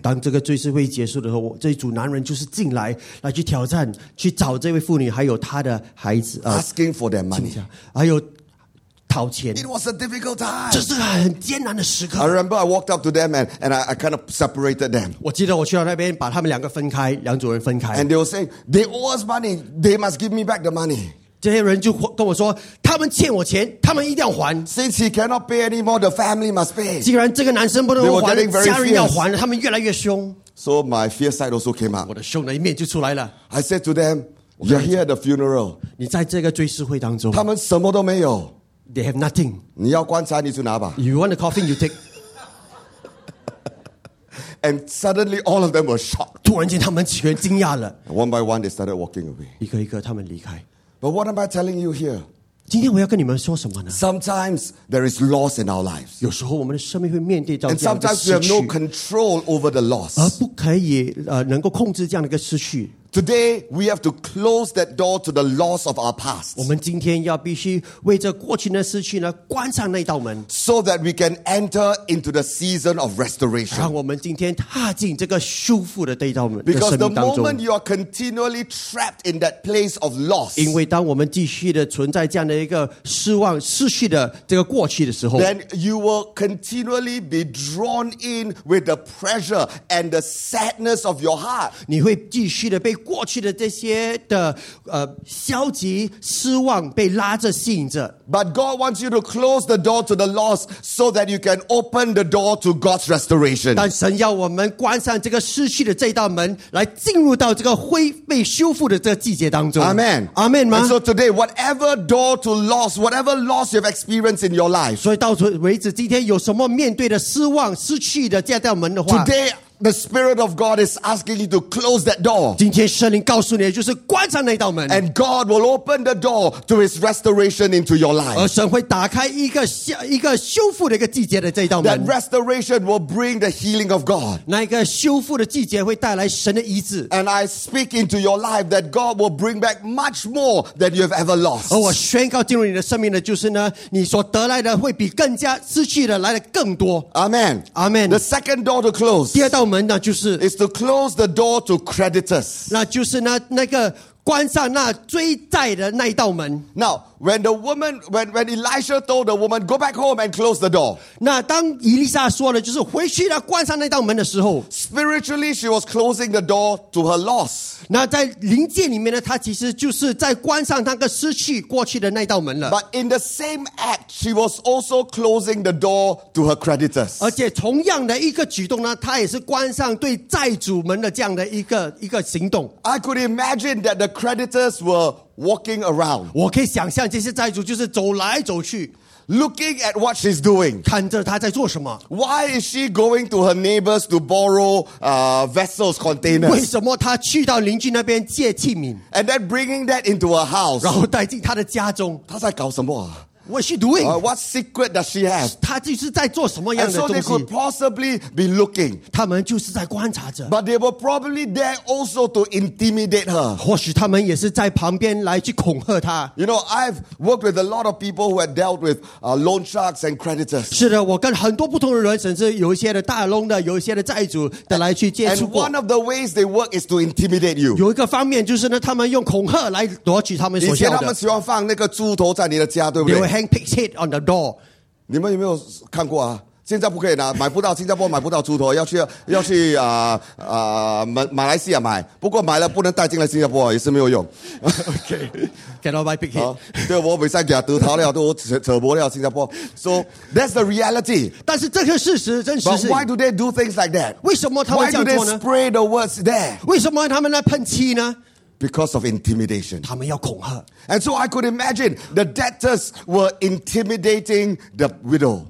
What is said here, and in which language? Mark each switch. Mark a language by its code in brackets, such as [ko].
[zh] 当这个追思会结束的时候，这一组男人就是进来来去挑战，去找这位妇女还有她的孩子。 [en] Asking for their money, [zh] 还有讨钱。 [en] It was a difficult time. [zh] 这是很艰难的时刻。 [en] I remember I walked up to them and I kind of separated them. [zh] 我记得我去到那边把他们两个分开，两组人分开。 [en] And they were saying they owe us money, they must give me back the money. [zh] 这些人就跟我说，他们欠我钱，他们一定要还。 [en] Since he cannot pay anymore, the family must pay. [zh] 既然这个男生不能还，家人要还，他们越来越凶。 [en] So my fierce side also came out. [zh] 我的凶的一面就出来了。 [en] I said to them, "You're here at the funeral." [zh] 你在这个追思会当中，他们什么都没有。 [en] They have nothing. [zh] 你要棺材你就拿吧。 [en] You want a coffin, you take. And suddenly, all of them were shocked. [zh] 突然间，他们全惊讶了。 [en] One by one, they started walking away. [zh] 一个一个，他们离开。 [en] But what am I telling you here? [zh] 今天我要跟你们说什么呢？ [en] Sometimes there is loss in our lives. [zh] 有时候我们的生命会面对到这样的失去。 [en] And sometimes we have no control over the loss. [zh] 而不可以能够控制这样的一个失去。 [en] Today we have to close that door to the loss of our past. [zh] 我们今天要必须为这过去的失去呢关上那道门。 [en] So that we can enter into the season of restoration. [zh] 让我们今天踏进这个修复的这道门。 [en] Because the moment you are continually trapped in that place of loss. [zh] 因为当我们继续的存在这样的一个失望失去的这个过去的时候。 [en] Then you will continually be drawn in with the pressure and the sadness of your heart. [zh] 你会继续的被过去的这些的消极失望被拉着吸引着。 [en] But God wants you to close the door to the loss so that you can open the door to God's restoration. [zh] 但神要我们关上这个失去的这道门，来进入到这个恢被修复的这个季节当中。 [en] Amen. Amen. And so today, whatever door to loss, whatever loss you've experienced in your life. [zh] 所以到此为止，今天有什么面对的失望、失去的这道门的话 [en] ，Today The Spirit of God is asking you to close that door. [zh] 今天圣灵告诉你，就是关上那道门。 [en] And God will open the door to His restoration into your life. [zh] 而神会打开一个修复的一个季节的这道门。 [en] That restoration will bring the healing of God. [zh] 那一个修复的季节会带来神的医治。 [en] And I speak into your life that God will bring back much more than you have ever lost. [zh] 而我宣告进入你的生命的，就是呢，你所得来的会比更加失去的来的更多。 [en] Amen. Amen. The second door to close. [zh] 第二道门呢，就是 [en] is to close the door to creditors. [zh] 那就是呢，那个关上那追债的那一道门。 [en] Now, when the woman, when Elisha told the woman, go back home and close the door. [zh] 那当伊丽莎说了，就是回去了，关上那道门的时候 [en] ，spiritually she was closing the door to her loss. [zh] 那在灵界里面呢，她其实就是在关上那个失去过去的那道门了。 [en] But in the same act, she was also closing the door to her creditors. [zh] 而且同样的一个举动呢，她也是关上对债主们的这样的一个行动。 [en] I could imagine that the creditors were walking around. [zh] 我可以想象这些债主就是走来走去。 [en] Looking at what she's doing. [zh] 看着她在做什么。 [en] Why is she going to her neighbors to borrow, vessels, containers? [zh] 为什么她去到邻居那边借器皿？ [en] And then bringing that into her house. [zh] 然后带进她的家中。她在搞什么啊？ [en] What's she doing? What secret does she have? [zh] 她就是在做什么样的东西？ [en] And so they could possibly be looking. [zh] 他们就是在观察着。 [en] But they were probably there also to intimidate her. [zh] 或许他们也是在旁边来去恐吓她。 [en] You know, I've worked with a lot of people who had dealt with loan sharks and creditors. [zh] 是的，我跟很多不同的人，甚至有一些的大窿的，有一些的债主的来去接触过。 [en] And one of the ways they work is to intimidate you. [zh] 有一个方面就是呢，他们用恐吓来夺取他们所要的。以前他们喜欢放那个猪头在你的家，对不对？ [en] Hang pig's head on the door. [zh] 你们有没有看过啊？现在不可以拿，买不到。新加坡买不到猪头，要去马来西亚买。不过买了不能带进来新加坡，也是没有用。 [en] Okay, cannot buy pig's head. [zh] 对，我没在家都逃了，都扯脖了。新加坡。 [en] So that's the reality. [zh] 但是这个事实真实是。 [en] But why do they do things like that? [zh] 为什么他们这样做呢 [en] ？Why do they spray the words there? [zh] 为什么他们来喷漆呢？ [en] Because of intimidation. [zh] 他们要恐吓。 [en] And so I could imagine the debtors were intimidating the widow.